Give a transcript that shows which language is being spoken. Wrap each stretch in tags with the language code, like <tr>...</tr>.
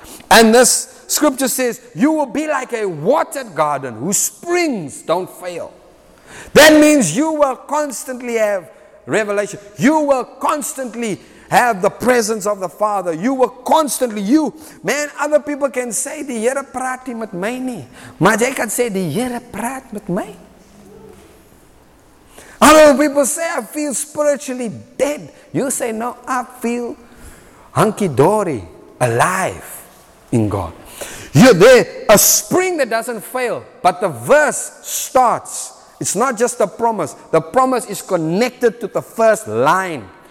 <en>And this scripture says, "You will be like a watered garden whose springs don't fail." That means you will constantly have revelation. You will constantly have the presence of the Father. You will constantly, you, man, other people can say,</en> <af>"Die Here praat met my nie." Maar jy kan sê, "Die Here praat met my."</af> <en>Other people say, "I feel spiritually dead." You say, "No, I feel hunky-dory, alive in God." You're there, a spring that doesn't fail. But the verse starts. It's not just a promise. The promise is connected to the first line.</en>